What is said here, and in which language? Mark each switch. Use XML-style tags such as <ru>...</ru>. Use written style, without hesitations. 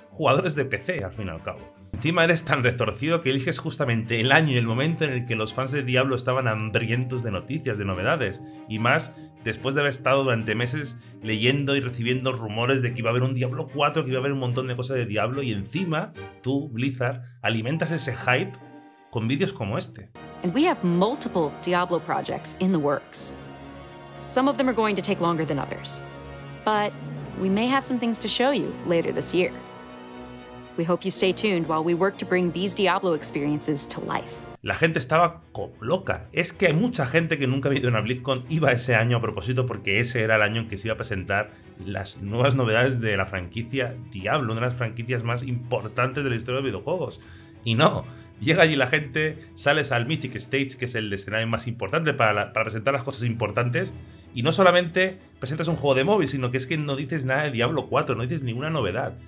<es>Jugadores de PC, al fin y al cabo. Encima eres tan retorcido que eliges justamente el año y el momento en el que los fans de Diablo estaban hambrientos de noticias, de novedades, y más después de haber estado durante meses leyendo y recibiendo rumores de que iba a haber un Diablo 4, que iba a haber un montón de cosas de Diablo, y encima tú, Blizzard, alimentas ese hype con vídeos como este.</es> <en>And we have multiple Diablo projects in the works. Some of them are going to take longer than others. But we may have some things to show you later this year. We hope you stay tuned while we work to bring these Diablo experiences to life.</en> <es>La gente estaba como loca. Es que hay mucha gente que nunca había ido a una BlizzCon iba ese año a propósito porque ese era el año en que se iba a presentar las nuevas novedades de la franquicia Diablo, una de las franquicias más importantes de la historia de videojuegos. Y no, llega allí la gente, sales al Mythic Stage, que es el escenario más importante para presentar las cosas importantes, y no solamente presentas un juego de móvil, sino que es que no dices nada de Diablo 4, no dices ninguna novedad.</es>